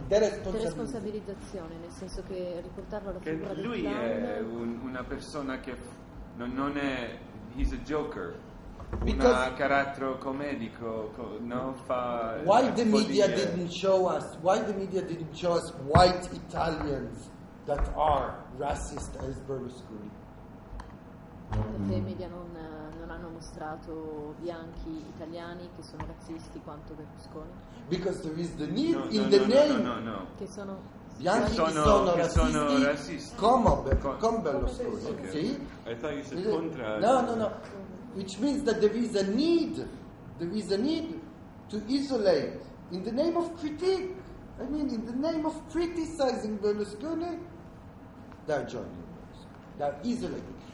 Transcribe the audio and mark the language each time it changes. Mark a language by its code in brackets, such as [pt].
[it] È deresponsabilizzazione, nel senso che riportarlo alla figura di lui è una persona che non è, [en] he's a joker, [it] ha carattere comedico, no, fa [en] why the media didn't show us, why the media didn't show us white Italians that are racist as Berlusconi? [it] Perché i media non hanno mostrato bianchi italiani che sono razzisti quanto Berlusconi? [en] Because there is the need in the name. No. [it] Che sono bianchi sono razzisti. Come Berlusconi? [en] Okay. [it] Sì? [en] I thought you said contra. No. Which means that there is a need to isolate in the name of critique. I mean, in the name of criticizing Berlusconi, they're joining us. They're isolating.